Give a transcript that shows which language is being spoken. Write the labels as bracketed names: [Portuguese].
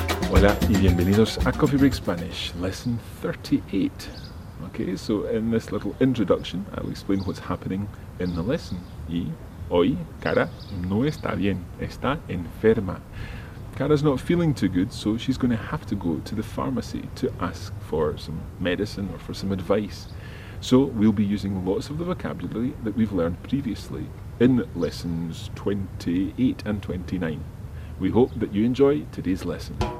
[Spanish] Hola y bienvenidos a Coffee Break Spanish, lesson 38. [English] Okay, so in this little introduction, I'll explain what's happening in the lesson. [Spanish] Y hoy, Cara no está bien, está enferma. [English] Cara's not feeling too good, so she's going to have to go to the pharmacy to ask for some medicine or for some advice. So we'll be using lots of the vocabulary that we've learned previously in lessons 28 and 29. We hope that you enjoy today's lesson.